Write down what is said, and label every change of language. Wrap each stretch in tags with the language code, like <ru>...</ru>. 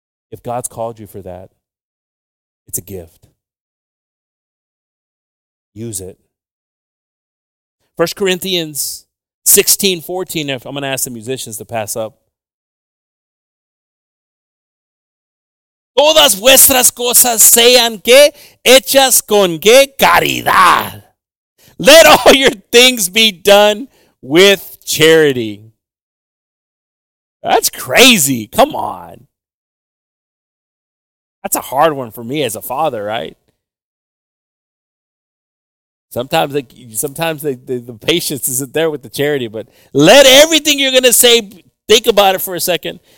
<en>If God's called you for that, it's a gift. Use it. 1 Corinthians 16:14, if I'm going to ask the musicians to pass up.</en> <es>Todas vuestras cosas sean que hechas con que caridad.</es> <en>Let all your things be done with charity. That's crazy. Come on. That's a hard one for me as a father, right? Sometimes the patience isn't there with the charity, but let everything you're going to say, think about it for a second.</en>